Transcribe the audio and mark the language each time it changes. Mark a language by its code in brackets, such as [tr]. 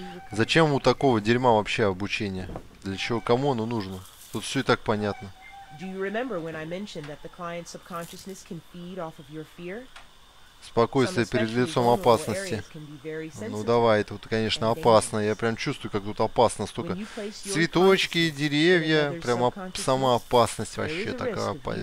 [ru] Зачем у такого дерьма вообще обучение? Для чего? Кому оно нужно? Тут все и так понятно. [en] Do you remember when I mentioned that the client's subconsciousness can feed off of your fear? [ru] Спокойствие перед лицом опасности. Ну давай, тут, конечно, опасно. Я прям чувствую, как тут опасно. Столько цветочки, деревья. Прямо сама опасность вообще такая.